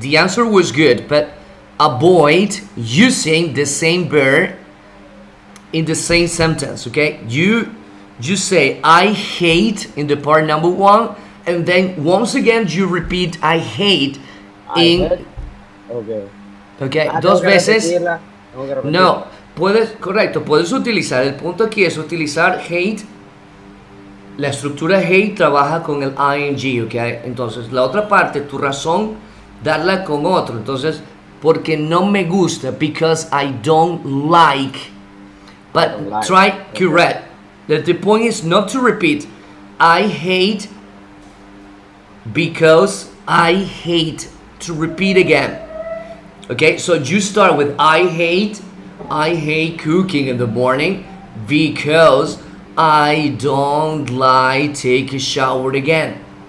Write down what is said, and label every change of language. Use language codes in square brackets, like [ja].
[en] The answer was good, but avoid using the same verb in the same sentence, okay? You say, I hate in the part number one, and then once again, you repeat, I hate in... Okay. [es] Okay, dos veces. Repetirla. No, puedes, correcto, puedes utilizar, el punto aquí es utilizar hate. La estructura hate trabaja con el ing, okay? Entonces, la otra parte, tu razón, darla con otro, entonces... Porque no me gusta, [en] because I don't like. But don't like. Try correct. The point is not to repeat. I hate because I hate to repeat again. Okay, so you start with I hate cooking in the morning because I don't like take a shower again.